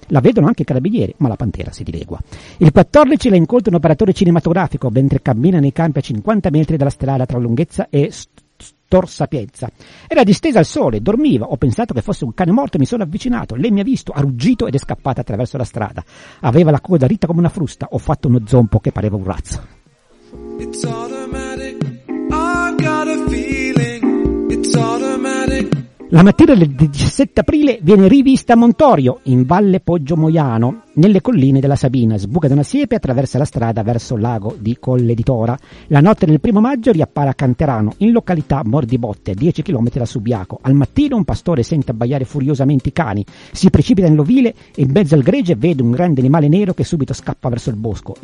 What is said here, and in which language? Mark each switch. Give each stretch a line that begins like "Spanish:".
Italian: La vedono anche i carabinieri, ma la pantera si dilegua. Il 14 la incontra un operatore cinematografico mentre cammina nei campi a 50 metri dalla strada tra lunghezza e Torsapiezza. Era distesa al sole, dormiva, ho pensato che fosse un cane morto e mi sono avvicinato. Lei mi ha visto, ha ruggito ed è scappata attraverso la strada. Aveva la coda ritta come una frusta, ho fatto uno zompo che pareva un razzo.
English: It's automatic, I've got a feeling, it's automatic.
Italian: La mattina del 17 aprile viene rivista a Montorio, in Valle Poggio Moiano, nelle colline della Sabina. Sbuca da una siepe e attraversa la strada verso il lago di Colle di Tora. La notte del 1 maggio riappare a Canterano, in località Mordibotte, a 10 km da Subiaco. Al mattino un pastore sente abbaiare furiosamente i cani, si precipita nell'ovile e in mezzo al gregge vede un grande animale nero che subito scappa verso il bosco.